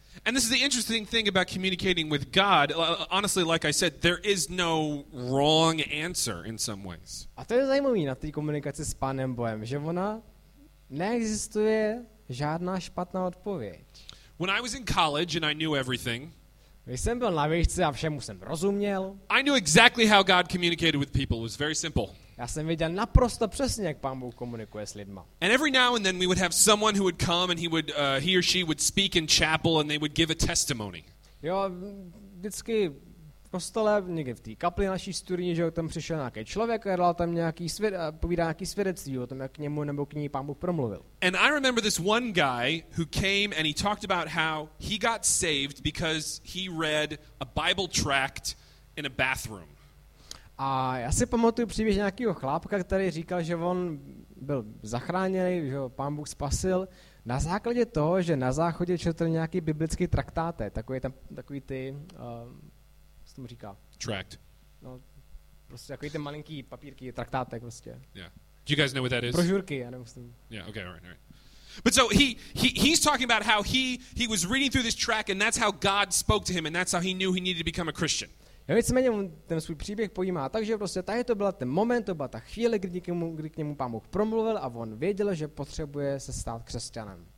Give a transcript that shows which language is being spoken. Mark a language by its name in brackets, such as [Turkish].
[English] And this is the interesting thing about communicating with God. Honestly, like I said, there is no wrong answer in some ways. [Czech] A to je zajímavé na té komunikaci s Pánem Bohem, že ona neexistuje žádná špatná odpověď. [English] When I was in college and I knew everything, [Czech] když jsem byl na výšce a všemu jsem rozuměl, [English] I knew exactly how God communicated with people. It was very simple. [Czech] Já jsem věděl naprosto přesně, jak Pán Bůh komunikuje s lidma. [English] And every now and then we would have someone who would come and he or she would speak in chapel and they would give a testimony. [Czech] Jo, vždycky kostele, někde v té kapli naší studijní, že tam přišel nějaký člověk a dal tam nějaký povídá nějaký svědectví o tom, jak k němu nebo k ní Pán Bůh promluvil. [English] And I remember this one guy who came and he talked about how he got saved because he read a Bible tract in a bathroom. [Czech] A já si pamatuju příběh nějakého chlápka, který říkal, že on byl zachráněný, že ho Pán Bůh spasil na základě toho, že na záchodě četl nějaký biblický traktáte, takový tam takový ty co tomu říká? [English] Tract. [Czech] No, prostě takový ty malinký papírky, traktátek prostě. [English] Yeah. Do you guys know what that is? [Czech] Brožurky, já nemusím. [English] Yeah, okay, all right. But so he's talking about how he was reading through this tract and that's how God spoke to him and that's how he knew he needed to become a Christian. [Czech] Já nicméně ten svůj příběh pojímá, takže prostě tady to byla ten moment, to byla ta chvíle, kdy k němu Pán Bůh promluvil a on věděl, že potřebuje se stát křesťanem.